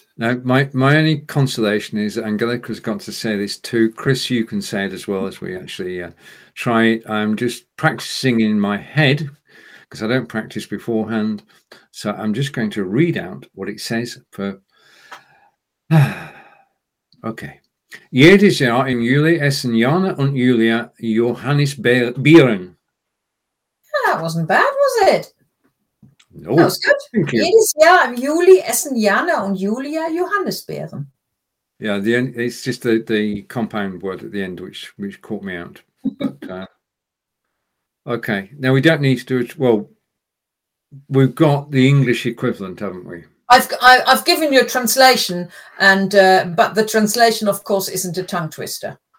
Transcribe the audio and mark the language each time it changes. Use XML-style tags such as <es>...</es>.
<en>Now, my only consolation is Angelica's got to say this too. Chris, you can say it as well as we actually try it. I'm just practicing in my head because I don't practice beforehand. So I'm just going to read out what it says for. Okay.</en> <de>Jedes Jahr im Juli essen Jana und Julia Johannes Beeren.</de> <en>That wasn't bad, was it? That No, was good. thank you.</en> <de>Jedes Jahr im Juli essen Jana und Julia Johannisbeeren.</de> <en>Yeah, the end, it's just the compound word at the end which caught me out. But okay, now we don't need to do it. Well, we've got the English equivalent, haven't we? I've given you a translation, and but the translation, of course, isn't a tongue twister.</en>